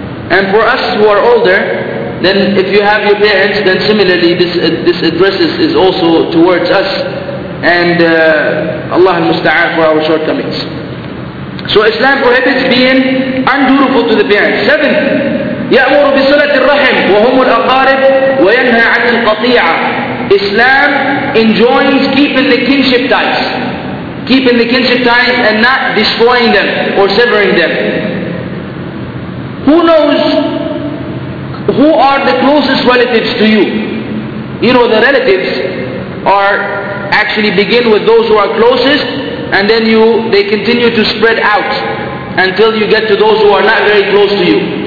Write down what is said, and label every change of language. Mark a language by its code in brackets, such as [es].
[en] And for us who are older, then if you have your parents, then similarly this address is also towards us. And Allah al-musta'an for our shortcomings. So Islam prohibits being undutiful to the parents. 7. [ar] يَأْمُرُ بِصِلَةِ الرَّحِمِ وَهُمُ الْأَقَارِبِ وَيَنْهَى عَنِ الْقَطِيعَةِ. [en] Islam enjoins keeping the kinship ties. keeping the kinship ties and not destroying them or severing them. Who knows who are the closest relatives to you? You know, the relatives are actually begin with those who are closest, and then they continue to spread out until you get to those who are not very close to you.